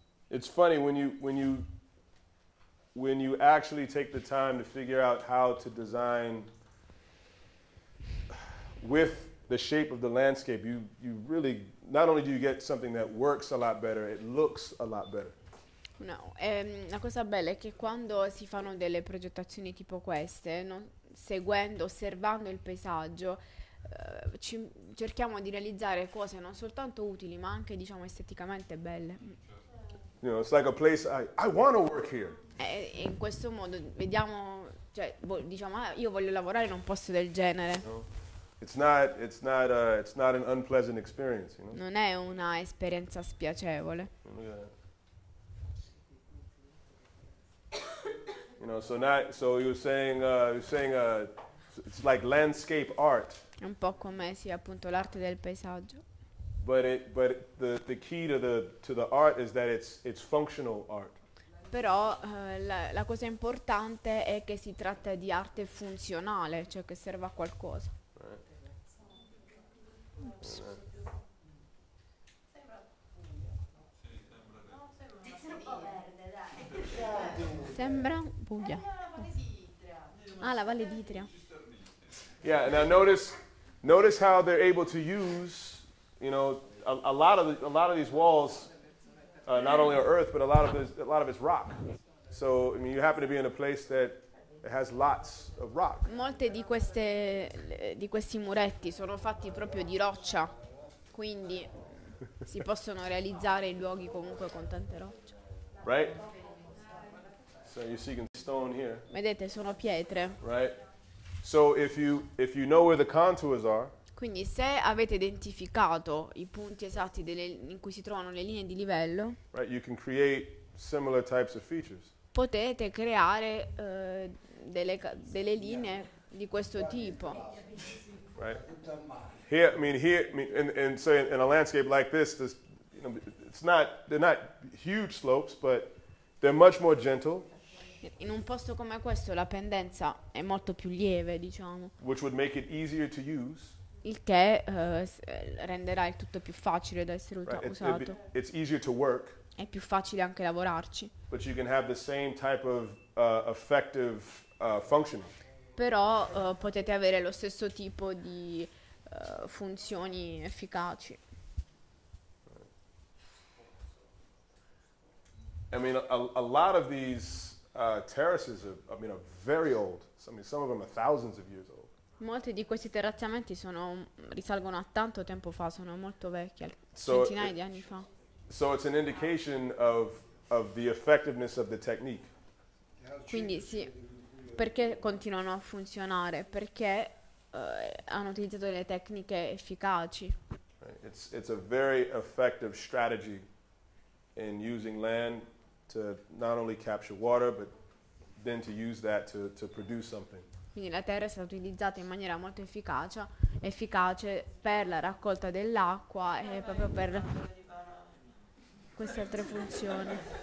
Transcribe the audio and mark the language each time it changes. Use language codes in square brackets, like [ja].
[en] It's funny when you actually take the time to figure out how to design with the shape of the landscape, you really, not only do you get something that works a lot better, it looks a lot better. [it] No, la cosa bella è che quando si fanno delle progettazioni tipo queste, non seguendo, osservando il paesaggio, cerchiamo di realizzare cose non soltanto utili, ma anche, diciamo, esteticamente belle. [en] You know, it's like a place I want to work here. [it] In questo modo vediamo, cioè, diciamo, io voglio lavorare in un posto del genere. [en] It's not an unpleasant experience, you know? [it] Non è una esperienza spiacevole. [en] You know, so you're saying it's like landscape art. [it] È un po' come sia appunto l'arte del paesaggio. [en] But the key to the art is that it's functional art. [it] Però la cosa importante è che si tratta di arte funzionale, cioè che serve a qualcosa. Sembra Puglia. Ah, la Valle d'Itria. [en] Yeah, now notice how they're able to use, you know, a lot of these walls. Not only are earth, but a lot of it's rock. So I mean, you happen to be in a place that has lots of rock. [it] Molte di questi muretti sono fatti proprio di roccia, quindi si possono realizzare in luoghi comunque con tante rocce. [en] Right. So you're seeing stone here. [it] Vedete, sono pietre. [en] Right. So if you know where the contours are. [it] Quindi se avete identificato i punti esatti in cui si trovano le linee di livello, [en] right, you can create similar types of features. [it] Potete creare delle linee di questo tipo. [en] Right. Here, in a landscape like this, this, you know, they're not huge slopes, but they're much more gentle. [it] In un posto come questo la pendenza è molto più lieve, diciamo. [en] Which would make it easier to use. [it] Il che renderà il tutto più facile da essere usato. [en] Right. It's easier to work. [it] È più facile anche lavorarci. [en] But you can have the same type of effective function. [it] Però potete avere lo stesso tipo di funzioni efficaci. [en] I mean, a lot of these terraces are very old. I mean, some of them are thousands of years old. [it] Molti di questi terrazzamenti risalgono a tanto tempo fa, sono molto vecchi, centinaia di anni fa. [en] So it's an indication of the effectiveness of the technique. [it] Quindi sì, perché continuano a funzionare? Perché hanno utilizzato delle tecniche efficaci. [en] It's a very effective strategy in using land to not only capture water, but then to use that to produce something. [it] Quindi la terra è stata utilizzata in maniera molto efficace per la raccolta dell'acqua e proprio per queste altre funzioni.